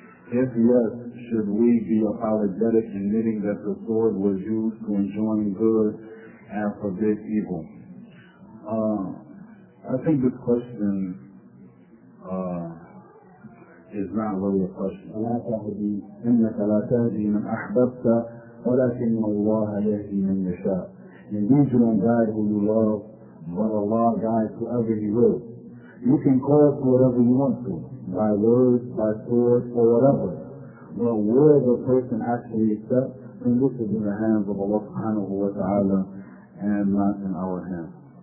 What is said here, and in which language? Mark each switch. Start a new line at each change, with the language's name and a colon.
English: If yes, should we be apologetic in admitting that the sword was used to enjoin good and forbid evil? I think this question is not really a question.
Arabic: لا تهدي إنك لا تهدي من أحببت ولكن الله يهدي من يشاء.
English: Indeed, you don't guide who you love, but Allah guides whoever He will. You can call for whatever you want to, by words, by sword, or whatever. But where the person actually accepts, then this is in the hands of Allah subhanahu wa ta'ala and not in our hands.